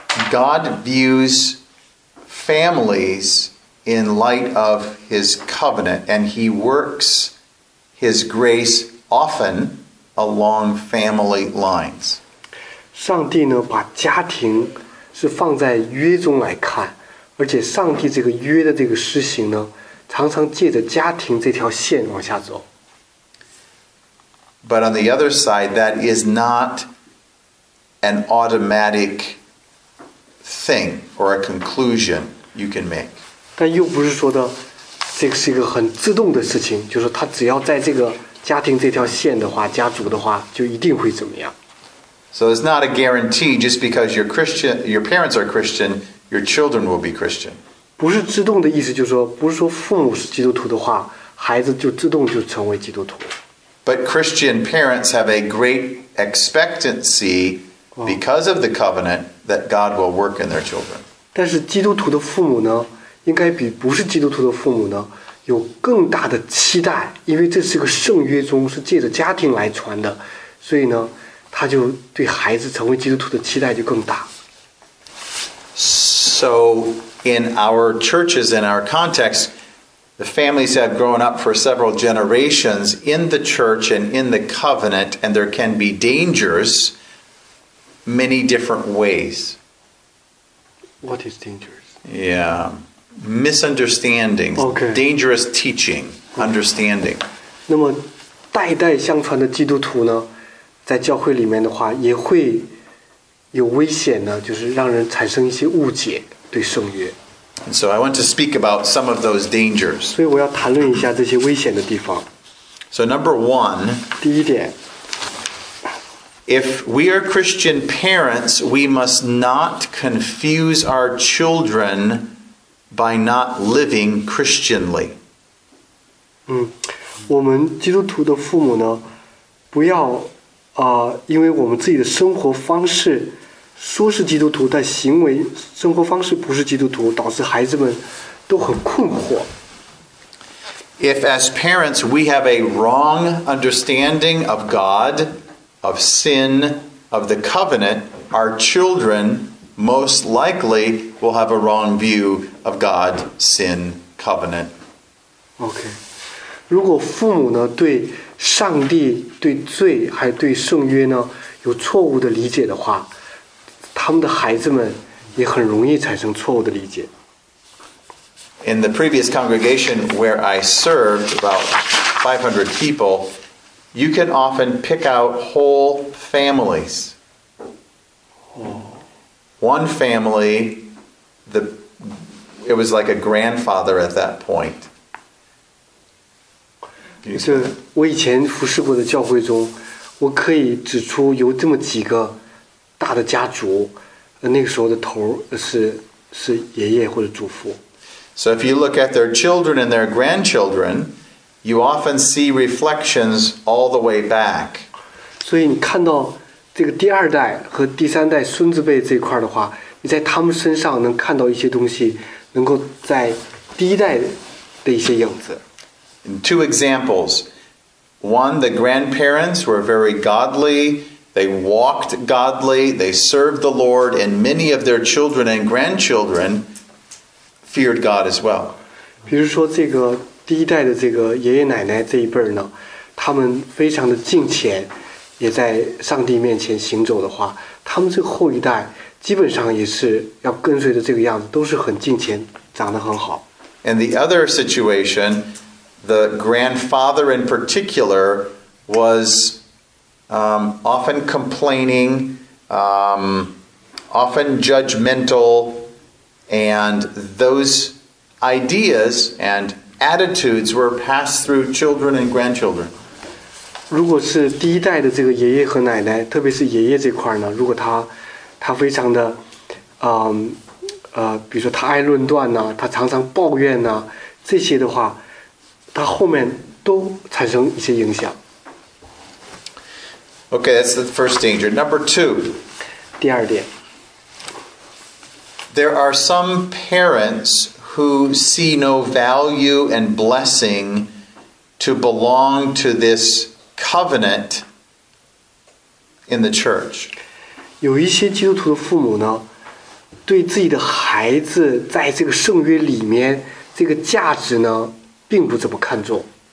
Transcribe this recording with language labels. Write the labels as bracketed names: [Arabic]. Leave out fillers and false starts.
[English] God views families in light of His covenant, and He works. His grace often along family lines. [Chinese] 上帝呢，把家庭是放在约中来看，而且上帝这个约的这个施行呢，常常借着家庭这条线往下走。 [English] But on the other side, that is not an automatic thing or a conclusion you can make. [Chinese] 但又不是说的。这个、是一个很自动的事情，就是他只要在这个家庭这条线的话，家族的话，就一定会怎么样。 [English] So it's not a guarantee just because your Christian, your parents are Christian, your children will be Christian. [Chinese] 不是自动的意思，就是说，不是说父母是基督徒的话，孩子就自动就成为基督徒。 [English] But Christian parents have a great expectancy because of the covenant that God will work in their children. [Chinese] 但是基督徒的父母呢？应该比不是基督徒的父母呢有更大的期待，因为这是个圣约中是借着家庭来传的，所以呢他就对孩子成为基督徒的期待就更大。 [English] So in our churches, in our context, the families have grown up for several generations in the church and in the covenant, and there can be dangers many different ways. What is dangerous? Yeah. Misunderstandings, okay. Dangerous teaching, understanding. [Chinese] 那么代代相传的基督徒呢，在教会里面的话，也会有危险呢，就是让人产生一些误解对圣约。 [English] And so I want to speak about some of those dangers. [Chinese] 所以我要谈论一下这些危险的地方。 [English] So number one, [Chinese] 第一点， [English] if we are Christian parents, we must not confuse our children. By not living Christianly. [Chinese] 我们基督徒的父母呢，不要因为我们自己的生活方式说是基督徒，但行为生活方式不是基督徒，导致孩子们都很困惑。 [English] If as parents we have a wrong understanding of God, of sin, of the covenant, our children. Most likely, we'll have a wrong view of God, sin, covenant. Okay. [Chinese] 如果父母呢对上帝、对罪还对圣约呢有错误的理解的话，他们的孩子们也很容易产生错误的理解。 [English] In the previous congregation where I served, about 500 people, you can often pick out whole families. One family, it was like a grandfather at that point. [Chinese] 就是我以前服侍过的教会中，我可以指出有这么几个大的家族，那个时候的头是爷爷或者祖父。 [English] So if you look at their children and their grandchildren, you often see reflections all the way back. [Chinese] 所以你看到这个第二代和第三代孙子辈这一块的话，你在他们身上能看到一些东西，能够在第一代的一些影子。 [English] Two examples. One, the grandparents were very godly. They walked godly. They served the Lord, and many of their children and grandchildren feared God as well. [Chinese] 比如说这个第一代的这个爷爷奶奶这一辈呢，他们非常的敬虔，也在上帝面前行走的话，他们这个后一代基本上也是要跟随着这个样子，都是很敬虔，长得很好。 [English] And the other situation, the grandfather in particular was often complaining, often judgmental, and those ideas and attitudes were passed through children and grandchildren. [Chinese] 如果是第一代的这个爷爷和奶奶，特别是爷爷这块呢，如果他非常的，比如说他爱论断呢，他常常抱怨呢，这些的话，他后面都产生一些影响。 [English] Okay, that's the first danger. Number two. [Chinese] 第二点。 [English] There are some parents who see no value and blessing to belong to this covenant in the church. [Chinese] 有一些基督徒的父母呢，对自己的孩子在这个圣约里面这个价值呢，并不怎么看重。